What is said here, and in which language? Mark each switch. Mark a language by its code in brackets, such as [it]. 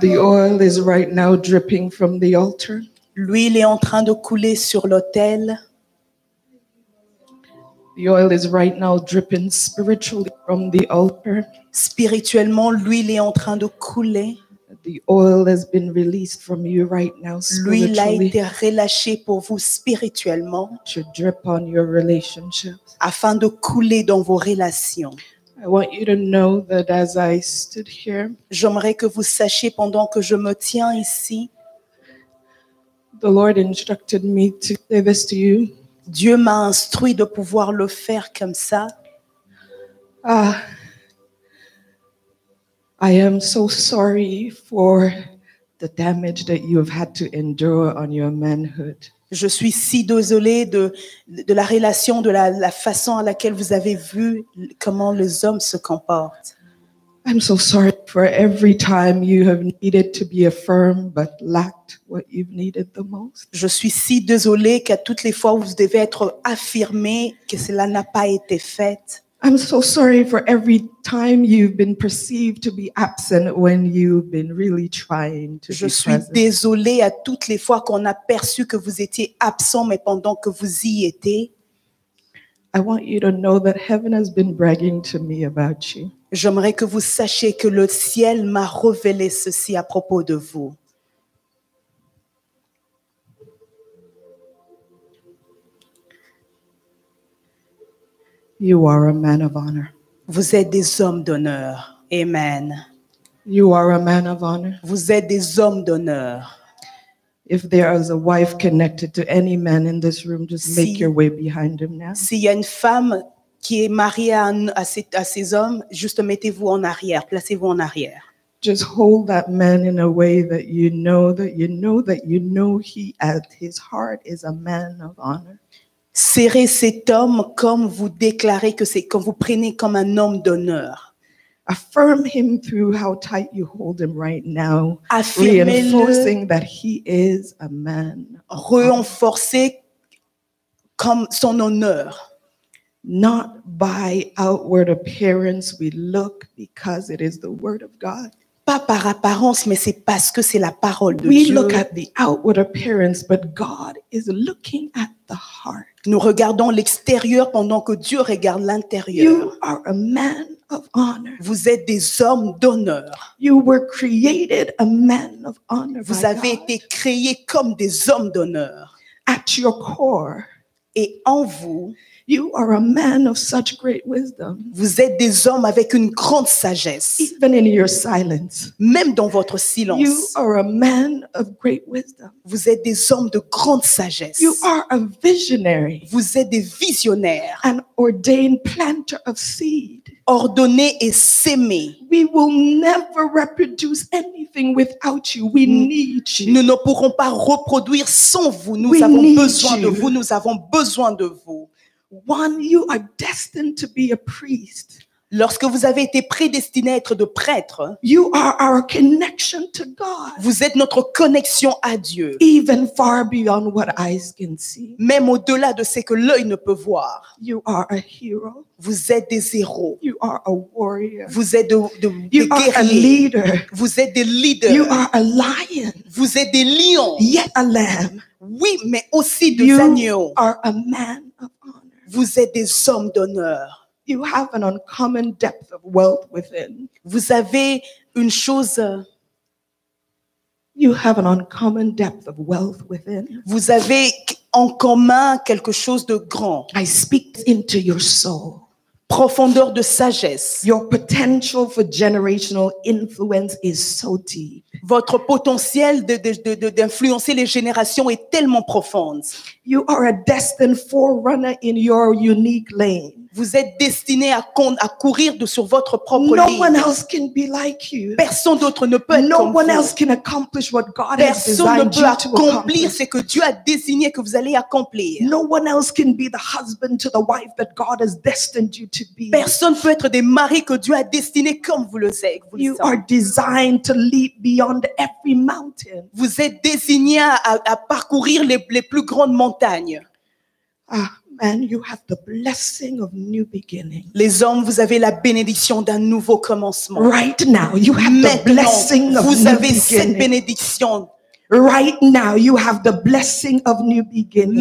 [en] The oil is right now dripping from the altar. [fr] L'huile est en train de couler sur l'autel. [en] The oil is right now dripping spiritually from the altar. [fr] Spirituellement, l'huile est en train de couler. [en] The oil has been released from you right now spiritually. [fr] L'huile a été relâchée pour vous spirituellement. [en] To drip on your relationships. [fr] Afin de couler dans vos relations. [en] I want you to know that as I stood here. [fr] J'aimerais que vous sachiez pendant que je me tiens ici. [en] The Lord instructed me to say this to you. [fr] Dieu m'a instruit de pouvoir le faire comme ça. Ah. [en] I am so sorry for the damage that you have had to endure on your manhood. [fr] Je suis si désolée de la relation, de la façon à laquelle vous avez vu comment les hommes se comportent. [en] I'm so sorry for every time you have needed to be affirmed but lacked what you've needed the most. [fr] Je suis si désolée qu'à toutes les fois où vous devez être affirmé, que cela n'a pas été fait. [en] I'm so sorry for every time you've been perceived to be absent when you've been really trying to be present. [fr] Je suis désolée à toutes les fois qu'on a perçu que vous étiez absent mais pendant que vous y étiez. [en] I want you to know that heaven has been bragging to me about you. [fr] J'aimerais que vous sachiez que le ciel m'a révélé ceci à propos de vous. [en] You are a man of honor. [fr] Vous êtes des hommes d'honneur. Amen. [en] You are a man of honor. [fr] Vous êtes des hommes d'honneur. [en] If there is a wife connected to any man in this room, just make your way behind him now. [fr] S'il y a une femme qui est mariée à ces hommes, juste mettez-vous en arrière, placez-vous en arrière. [en] Just hold that man in a way that you know that you know that you know he at his heart is a man of honor. [fr] Serrez cet homme comme vous déclarez que c'est comme vous prenez comme un homme d'honneur. [en] Affirm him through how tight you hold him right now. [fr] Affirmez-le. [en] Reinforcing that he is a man. [fr] Renforcez comme son honneur. [en] Not by outward appearance we look because it is the word of God. [fr] Pas par apparence, mais c'est parce que c'est la parole de [en] we [fr] Dieu. [en] We look at the outward appearance, but God is looking at the heart. [fr] Nous regardons l'extérieur pendant que Dieu regarde l'intérieur. [en] You are a man of honor. [fr] Vous êtes des hommes d'honneur. [en] You were created a man of honor. [fr] Vous avez été créé comme des hommes d'honneur. [en] At your core, [fr] et en vous, [en] you are a man of such great wisdom. [fr] Vous êtes des hommes avec une grande sagesse. [en] Even in your silence, [fr] même dans votre silence, [en] you are a man of great wisdom. [fr] Vous êtes des hommes de grande sagesse. [en] You are a visionary. [fr] Vous êtes des visionnaires. [en] An ordained planter of seed. [fr] Ordonner et semer. [en] We will never reproduce anything without you. We need you. [fr] Nous ne pourrons pas reproduire sans vous. Nous avons besoin de vous. Nous avons besoin de vous. [en] One, you are destined to be a priest. [fr] Lorsque vous avez été prédestiné à être de prêtre, [en] you are our connection to God. [fr] Vous êtes notre connexion à Dieu. [en] Even far beyond what eyes can see. [fr] Même au-delà de ce que l'œil ne peut voir. [en] You are a hero. [fr] Vous êtes des héros. [en] You are a warrior. [fr] Vous êtes [en] you are [fr] guerriers. [en] A leader. [fr] Vous êtes des leaders. [en] You are a lion. [fr] Vous êtes des lions. [en] Yet a lamb. [fr] Oui, mais aussi des [en] you [fr] agneaux. [en] You are a man of honor. [fr] Vous êtes des hommes d'honneur. [en] You have an uncommon depth of wealth within. [fr] Vous avez une chose. [en] You have an uncommon depth of wealth within. [fr] Vous avez en commun quelque chose de grand. [en] I speak into your soul. [fr] Profondeur de sagesse. [en] Your potential for generational influence is so deep. [fr] Votre potentiel de d'influencer les générations est tellement profond. [en] You are a destined forerunner in your unique lane. [fr] Vous êtes destiné à courir sur votre propre [en] no [fr] ligne. [en] No one else can be like you. [fr] Personne d'autre ne peut être [en] no [fr] comme [en] one [fr] vous. [en] Else can accomplish what God [fr] personne [en] has designed [fr] ne peut [en] you to [fr] accomplir ce que Dieu a désigné que vous allez accomplir. [en] No one else can be the husband to the wife that God has destined you to be. [fr] Personne peut être des maris que Dieu a destiné comme vous le savez. [en] You are designed to leap beyond every mountain. [fr] Vous êtes désigné à parcourir les plus grandes montagnes. Ah. [en] And you have the blessing of new beginning. [fr] Les hommes, vous avez la bénédiction d'un nouveau commencement. [en] Right now, you have [fr] maintenant, [en] the blessing of new beginning. [fr] Vous avez cette bénédiction. [en] Right now, you have the blessing of new beginning.